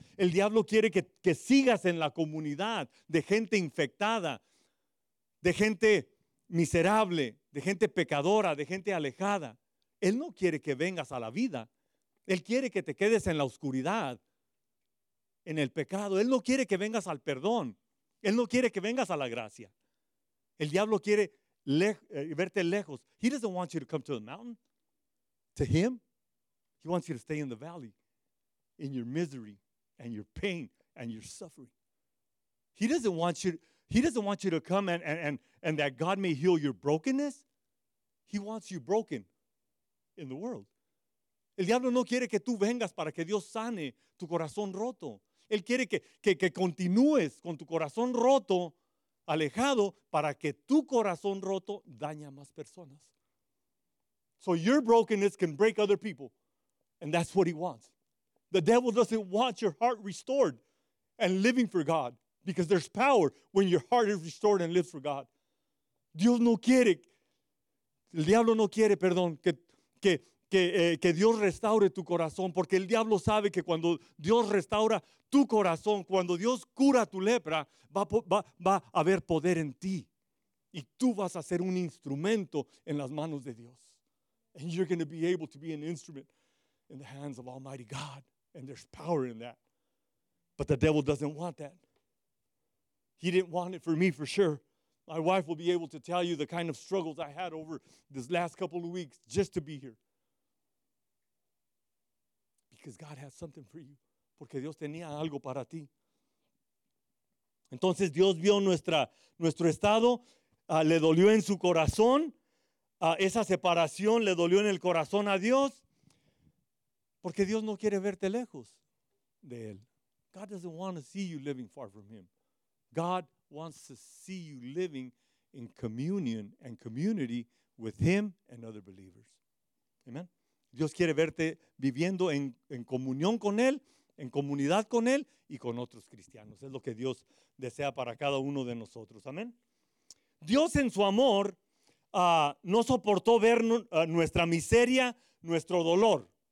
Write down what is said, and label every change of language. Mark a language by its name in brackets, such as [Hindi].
[Spanish] El diablo quiere que sigas en la comunidad de gente infectada, de gente miserable, de gente pecadora, de gente alejada. Él no quiere que vengas a la vida. Él quiere que te quedes en la oscuridad, en el pecado. Él no quiere que vengas al perdón. Él no quiere que vengas a la gracia. El diablo quiere verte lejos. [English] He doesn't want you to come to the mountain. To him, he wants you to stay in the valley, in your misery and your pain and your suffering. He doesn't want you to come and that God may heal your brokenness. He wants you broken in the world. [Spanish] El diablo no quiere que tú vengas para que Dios sane tu corazón roto. Él quiere que continúes con tu corazón roto, alejado, para que tu corazón roto dañe a más personas. [English] So your brokenness can break other people. And that's what he wants. The devil doesn't want your heart restored and living for God. Because there's power when your heart is restored and lives for God. [Spanish] Dios no quiere, el diablo no quiere, perdón, que Dios restaure tu corazón. Porque el diablo sabe que cuando Dios restaura tu corazón, cuando Dios cura tu lepra, va a haber poder en ti. Y tú vas a ser un instrumento en las manos de Dios. [English] And you're going to be able to be an instrument in the hands of Almighty God. And there's power in that. But the devil doesn't want that. He didn't want it for me, for sure. My wife will be able to tell you the kind of struggles I had over this last couple of weeks just to be here. Because God has something for you. [Spanish] Porque Dios tenía algo para ti. Entonces Dios vio nuestro estado. Le dolió en su corazón. Esa separación le dolió en el corazón a Dios porque Dios no quiere verte lejos de Él. [English] God doesn't want to see you living far from Him. God wants to see you living in communion and community with Him and other believers. Amen. [Spanish] Dios quiere verte viviendo en comunión con Él, en comunidad con Él y con otros cristianos. Es lo que Dios desea para cada uno de nosotros. Amén. Dios en su amor no soportó ver nuestra miseria, nuestro dolor.